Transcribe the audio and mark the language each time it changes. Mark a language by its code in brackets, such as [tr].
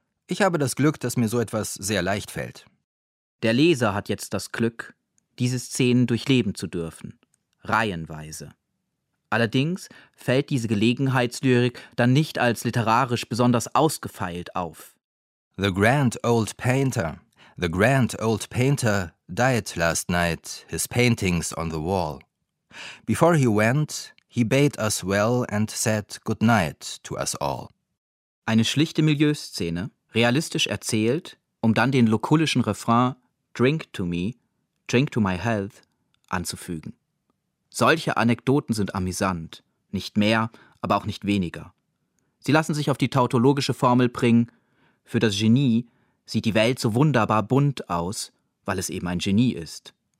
[de] Ich habe das Glück, dass mir so etwas sehr leicht fällt.« Der Leser hat jetzt das Glück, diese Szenen durchleben zu dürfen. Reihenweise. Allerdings fällt diese Gelegenheitslyrik dann nicht als literarisch besonders ausgefeilt auf. [en] The grand old painter, the grand old painter died last night, his paintings on the wall. Before he went, he bade us well and said good night to us all. [de] Eine schlichte Milieuszene, realistisch erzählt, um dann den lukullischen Refrain [en] Drink to me, drink to my health [de] anzufügen. Solche Anekdoten sind amüsant, nicht mehr, aber auch nicht weniger. Sie lassen sich auf die tautologische Formel bringen, für das Genie sieht die Welt so wunderbar bunt aus, weil es eben ein Genie ist.